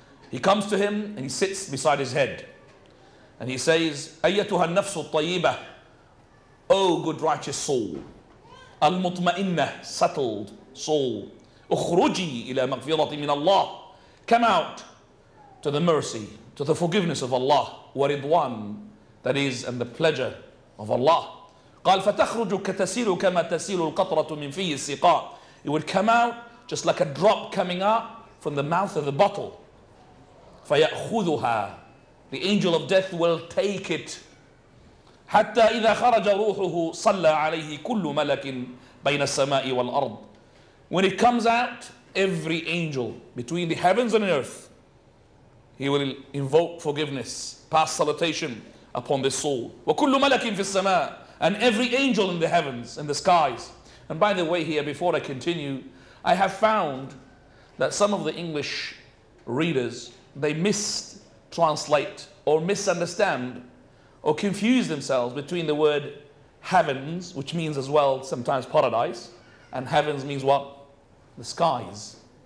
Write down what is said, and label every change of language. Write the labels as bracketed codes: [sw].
[en] He comes to him and he sits beside his head. And he says, [ar] "Ayyatuha nafsu tayyibah, [en] O good righteous soul, [ar] al-mutma'inna, [en] settled soul, [ar] ukhruji ila maghfirati min Allah, [en] come out to the mercy, to the forgiveness of Allah, [ar] wa ridwan, [en] that is, and the pleasure of Allah." [ar] قال فتخرج كتسيل كما تسيل القطرة من فيه السقاء. [en] It would come out just like a drop coming out from the mouth of the bottle. [ar] فيأخذها. [en] The angel of death will take it. [ar] حتى إذا خرج روحه صلى عليه كل ملك بين السماء والأرض. [en] When it comes out, every angel between the heavens and earth, he will invoke forgiveness, pass salutation upon this soul. [ar] وكل ملك في السماء. [en] And every angel in the heavens, in the skies. And by the way here, before I continue, I have found that some of the English readers, they mistranslate or misunderstand or confuse themselves between the word heavens, which means as well sometimes paradise, and heavens means what? The skies.